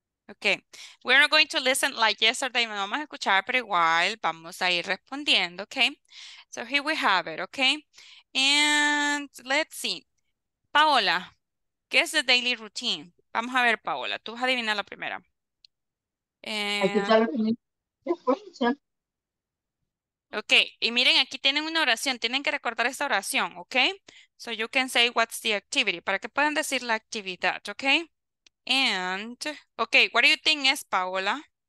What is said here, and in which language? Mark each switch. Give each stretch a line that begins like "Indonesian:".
English: Okay, we're not going to listen like yesterday.
Spanish: No vamos a escuchar, pero igual vamos a ir respondiendo.
English: Okay, so here we have it. Okay, and let's see.
Spanish: Paola, ¿qué es
English: the daily routine?
Spanish: Vamos a ver, Paola, tú vas a adivinar la primera. Ok, y miren, aquí tienen una oración, tienen que recordar esta oración, ok?
English: So you can say what's the activity,
Spanish: para que puedan decir la actividad,
English: ok? And, ok, what do you think is, Paola?